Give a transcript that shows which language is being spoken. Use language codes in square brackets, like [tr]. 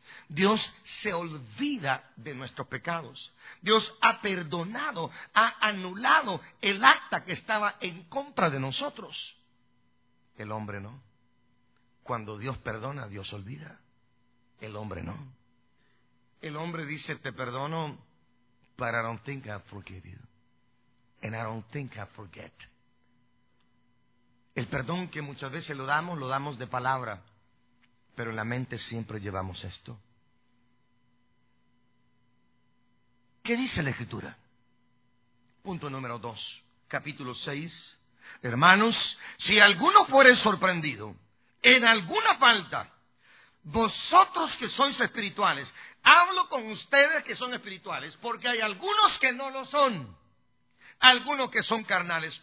[es] Dios se olvida de nuestros pecados. Dios ha perdonado, ha anulado el acta que estaba en contra de nosotros. El hombre no. Cuando Dios perdona, Dios olvida. El hombre no. El hombre dice, te perdono, [en] but I don't think I forgive you. And I don't think I forget. [es] El perdón que muchas veces lo damos de palabra. Pero en la mente siempre llevamos esto. ¿Qué dice la Escritura? Punto número 2, capítulo 6. Hermanos, si alguno fuere sorprendido en alguna falta, vosotros que sois espirituales, hablo con ustedes que son espirituales, porque hay algunos que no lo son, algunos que son carnales.